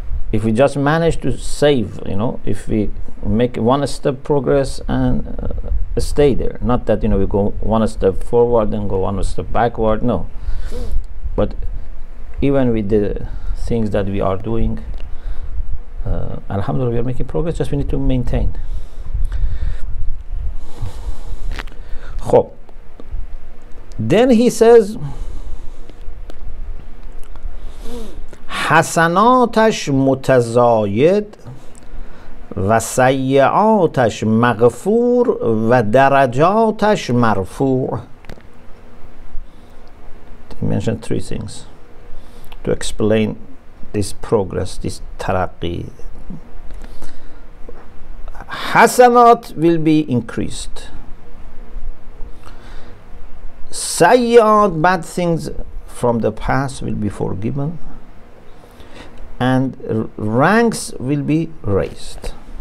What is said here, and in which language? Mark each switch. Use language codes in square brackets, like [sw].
[en] If we just manage to save, you know, if we make one step progress and stay there, not that, you know, we go one step forward and go one step backward, no. But even with the things that we are doing, alhamdulillah, we are making progress, just we need to maintain. Then he says, [fa] حسناتش متزايد و سيئاتش مغفور و درجاتش مرفوع. [en] He mentioned three things to explain this progress, this taraqi. Hasanat will be increased. sayyad, bad things from the past will be forgiven, and ranks will be raised.